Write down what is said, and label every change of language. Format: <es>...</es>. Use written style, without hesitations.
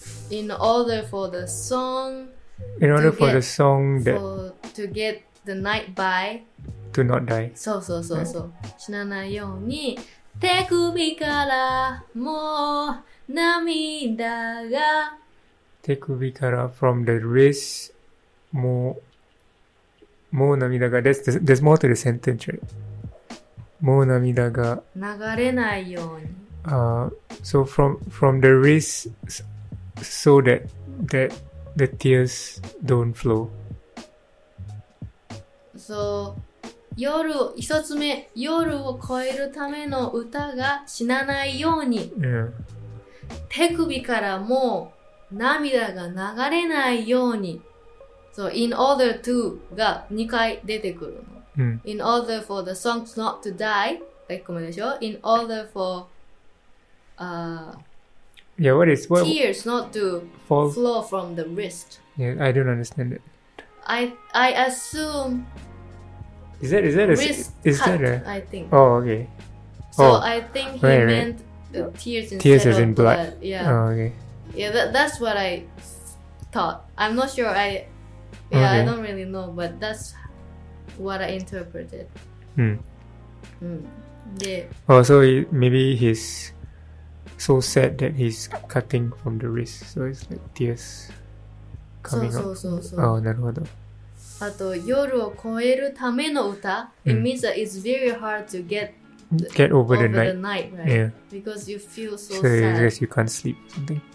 <en>in order for the song, in order for the song that to get the night by to not die。</en> <ja>そうそうそうそう。死なないように手首からもう涙が、手首から</ja> <en>from the wrist</en> <ja>もう涙が、</ja> <en>there's more to the sentence、right?</en> <ja>もう涙が流れないように。</ja> <en>So from the wrist, so that the tears don't flow.</en> <ja>So 夜、一つ目、夜を越えるための歌が死なないように。</ja> <en>Yeah.</en> <ja>手首からもう涙が流れないように。</ja> <en>So in order to</en> <ja>が2回出てくるの。</ja> <en>In order for the song not to die, like</en> <ja>コメでしょ。</ja> <en>In order for, yeah, what is what, tears not to fall, flow from the wrist. Yeah, I don't understand it. I assume. Is that wrist cut, that a, I think. Oh, okay. So oh, I think he right, meant the tears instead tears of as in blood. Yeah. Oh, okay. Yeah, that's what I thought. I'm not sure. I yeah,、okay. I don't really know, but that's. What I interpreted. Hmm. Hmm. Yeah. Oh, so maybe he's so sad that he's cutting from the wrist. So it's like tears coming so, up. So, so, so.</en> <ja>Oh, なるほど。あと夜を越えるための歌。 Hmm.</ja> <en>It means that it's very hard to get over the night. The night, right? Yeah. Because you feel so sad. So I guess you can't sleep or something.</en>